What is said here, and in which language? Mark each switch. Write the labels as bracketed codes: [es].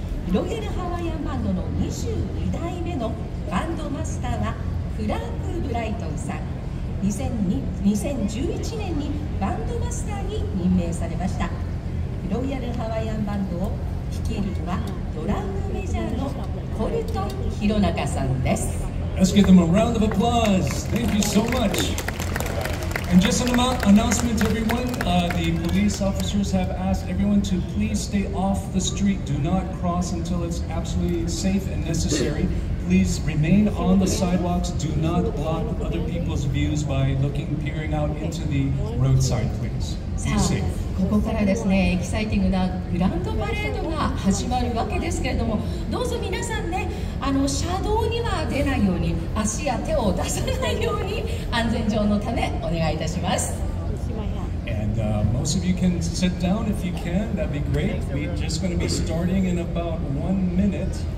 [ja] ロイヤルハワイアンバンドの22代目のバンドマスターはフランク・ブライトンさん。 2011年にバンドマスターに任命されました。ロイヤルハワイアンバンドを率いるのはドラムメジャーのコルトン・ヒロナカさんです。 [en] Let's give them a round of applause. Thank you so much. And just an announcement, everyone, the police officers have asked everyone to please stay off the street. Do not cross until it's absolutely safe and necessary. Please remain on the sidewalks. Do not block other people's views by looking, peering out into the roadside, please. Be safe. [ja] ここからですね、エキサイティングなグランドパレードが始まるわけですけれども、どうぞ皆さんね、車道には出ないように、足や手を出さないように、安全上のためお願いいたします。 [en] And、most of you can sit down if you can, that'd be great. We're just going to be starting in about 1 minute.